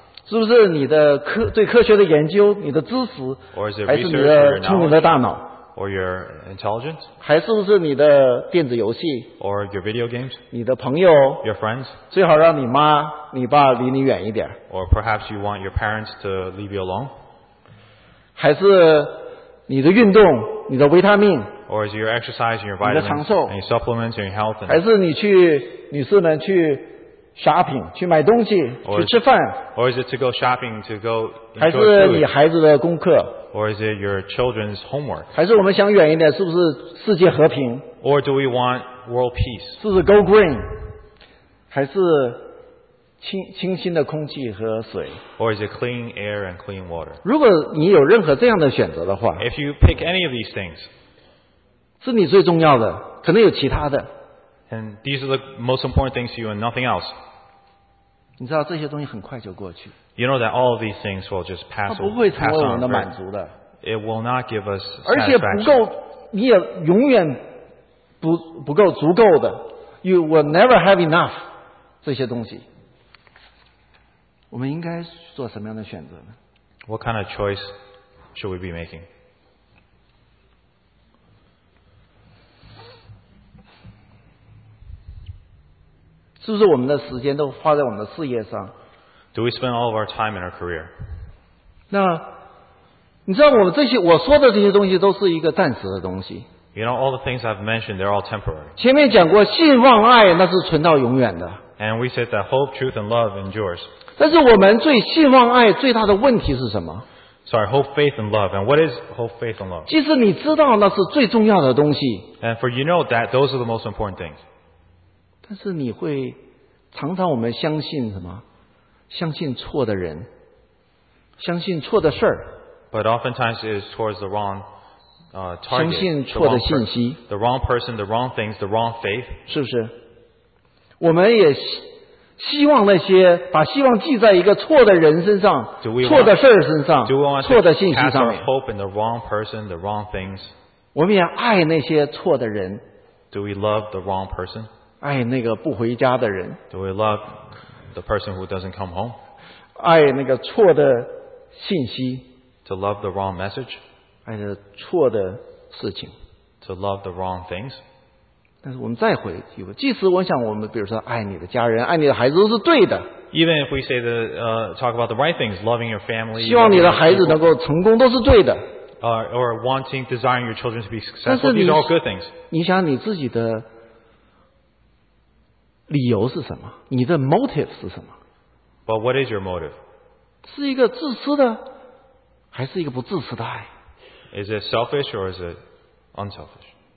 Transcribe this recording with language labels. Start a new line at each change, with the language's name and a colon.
Chinese: 是不是你的对科学的研究, 你的知识?
English: Or is it or knowledge?
Chinese: 还是你的聪明的大脑?
English: Or your intelligence?
Chinese: 还是不是你的电子游戏?
English: Or your video games?
Chinese: 你的朋友?
English: Your friends?
Chinese: 最好让你妈、你爸离你远一点。
English: Or perhaps you want your parents to leave you alone?
Chinese: 还是你的运动，你的维他命，
English: or is your exercise and your vitamins,
Chinese: 你的长寿，
English: and your supplements and your health, and
Chinese: 还是你去女士们去 shopping 去买东西
English: or
Chinese: 去吃饭，
English: or is it to go shopping to go enjoy food,
Chinese: 还是你孩子的功课，
English: or is it your children's homework,
Chinese: 还是我们想远一点，是不是世界和平，
English: or do we want world peace,
Chinese: 是不是
English: go green,
Chinese: 还是清新的空气和水，
English: or is it clean air and clean water?
Chinese: 如果你有任何这样的选择的话，
English: if you pick any of these things,
Chinese: 是你最重要的，可能有其他的，
English: and these are the most important things to you and nothing else.
Chinese: 你知道这些东西很快就过去，
English: you know that all of these things will just pass away.
Chinese: 它不会成为我们的满足的，
English: it will not give us satisfaction.
Chinese: 而且不够，你也永远不够足够的，
English: you will never have enough
Chinese: 这些东西。我们应该做什么样的选择呢？
English: What kind of choice should we be making?
Chinese: 是不是我们的时间都花在我们的事业上？
English: Do we spend all of our time in our career?
Chinese: 那你知道我们这些我说的这些东西都是一个暂时的东西。
English: You know, all the things I've mentioned, they're all temporary.
Chinese: 前面讲过信望爱那是存到永远的。
English: And we said that hope, truth, and love endures.
Chinese: 但是我们最信望爱最大的问题是什么？
English: Sorry, hope, faith, and love. And what is hope, faith, and love?
Chinese: 即使你知道那是最重要的东西。
English: And for you know that those are the most important things.
Chinese: 但是你会常常我们相信什么？相信错的人，相信错的事儿。
English: But oftentimes it is towards the wrong target.
Chinese: 相信错的信息。
English: The wrong person, the wrong things, the wrong faith.
Chinese: 是不是？我们也希望那些把希望寄在一个错的人身上、错的事身上、错的信息上面。
English: Hope in the wrong person, the wrong things.
Chinese: 我们也爱那些错的人。
English: Do we love the wrong person?
Chinese: 爱那个不回家的人。
English: Do we love the person who doesn't come home?
Chinese: 爱那个错的信息。
English: To love the wrong message.
Chinese: 爱那错的事情。
English: To love the wrong things.
Chinese: 但是我们再回一回，即使我想我们比如说爱你的家人、爱你的孩子都是对的。
English: Even if we say the talk about the right things, loving your family,
Chinese: 希望你的孩子能够成功都是对的。
English: Or wanting, desiring your children to be successful, these are all good things.
Chinese: 你想你自己的理由是什么？你的 motive 是什么？
English: But what is your motive?
Chinese: 是一个自私的，还是一个不自私的爱？
English: Is it selfish or is it unselfish?